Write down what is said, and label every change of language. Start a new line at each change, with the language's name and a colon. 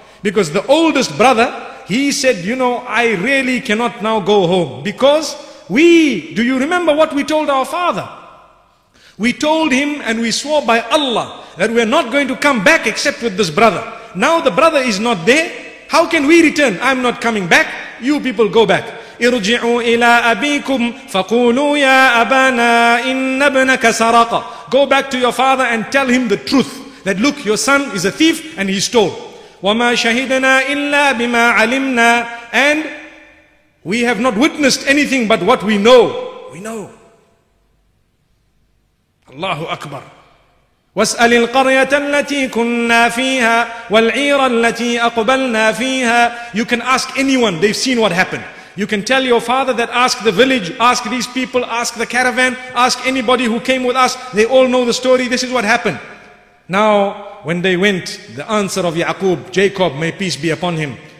English: Because the oldest brother, he said, you know, I really cannot now go home. Because do you remember what we told our father? We told him and we swore by Allah that we are not going to come back except with this brother. Now the brother is not there. How can we return? I'm not coming back. You people go back.
Arabic: ارجعوا إلى أبيكم فقولوا يا أبانا إن ابنك سرق.
English: Go back to your father and tell him the truth. That look, your son is a thief and he stole.
Arabic: وما شهدنا إلا بما علمنا.
English: And we have not witnessed anything but what we know. We know.
Arabic: الله أكبر. واسأل القرية التي كنا فيها والعير التي أقبلنا فيها.
English: You can ask anyone, they've seen what happened. You can tell your father that ask the village, ask these people, ask the caravan, ask anybody who came with us. They all know the story, this is what happened. Now, when they went, the answer of Ya'qub, Jacob, may peace be upon him.